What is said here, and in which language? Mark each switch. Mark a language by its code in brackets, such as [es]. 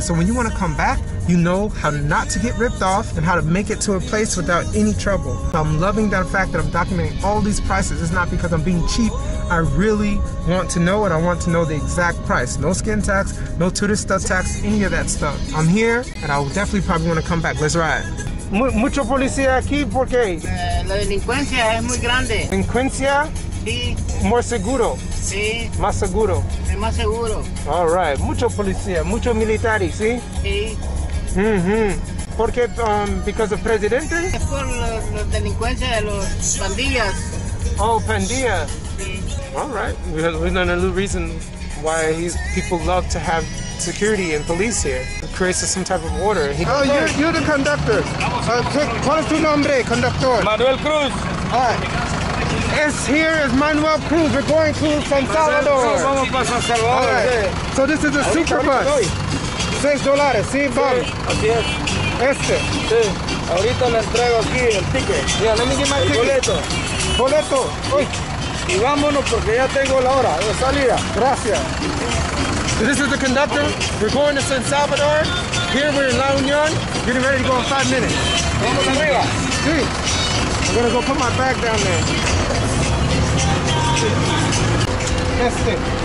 [en] So when you want to come back, you know how not to get ripped off and how to make it to a place without any trouble. I'm loving that fact that I'm documenting all these prices. It's not because I'm being cheap. I really want to know, and I want to know the exact price. No skin tax, no tourist tax, any of that stuff. I'm here, and I'll definitely probably want to come back. Let's ride. [es] Mucho policía aquí porque la delincuencia es muy grande. Delincuencia? Sí. [en] More seguro. [es] Sí. Más seguro. Es más seguro. [en] All right. [es] Mucho policía, mucho militares, ¿sí? Sí. [en] Mm-hmm. [es] ¿Por qué? [en] Because of presidente? [es] Es por la delincuencia de los pandillas. Oh, pandillas. Sí. [en] All right. We learned a little reason why these people love to have security and police here. It creates some type of order. Oh, you're the conductor. What is your name, conductor? Manuel Cruz. All right. It's here is Manuel Cruz. We're going to San Salvador. All right. So this is a super bus. $6, [es] sí, vamos. Así es. Este. Sí. Ahorita le entrego aquí el ticket. [en] Yeah, let me get my ticket. [es] Boleto. Boleto. Y vámonos porque ya tengo la hora de salida. Gracias. [en] So this is the conductor. We're going to San Salvador. Here we're in La Union, getting ready to go in 5 minutes. [es] Vamos arriba. Sí. [en] I'm gonna go put my bag down there. [es] Este.